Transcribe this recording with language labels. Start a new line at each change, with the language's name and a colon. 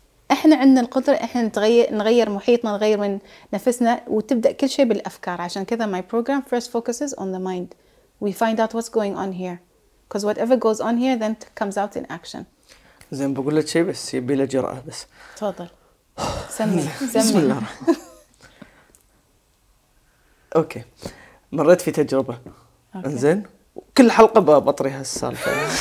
Arabic: إحنا عندنا القدرة إحنا نغير محيطنا، نغير من نفسنا، وتبدأ كل شيء بالأفكار. عشان كذا
English: my program first focuses on the mind. We find out what's going on here because whatever goes on here then comes out in action.
Arabic: زين بقول لك شيء بس يبي له جرأة بس. تفضل. سمي. بسم الله. أوكي مريت في تجربة. إنزين كل حلقة بطري هالسالفة.